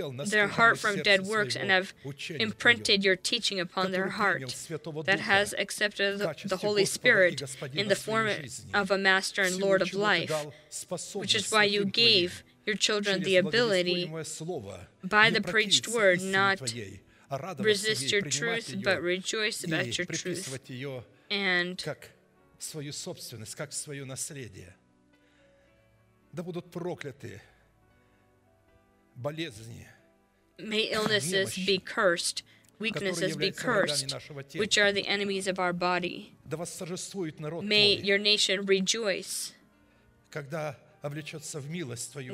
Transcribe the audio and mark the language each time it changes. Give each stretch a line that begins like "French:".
English: their heart from dead works and have imprinted your teaching upon their heart, that has accepted the Holy Spirit in the form of a master and Lord of life, which is why you gave your children the ability by the preached word not resist your truth, but rejoice about your truth, and
Russian: как свою собственность, как свое наследие. Да будут прокляты болезни.
English: May illnesses be cursed, weaknesses be cursed, which are the enemies of our body.
Russian: Да восторжествует народ.
English: May your nation rejoice.
Russian: Когда облечется в милость твою,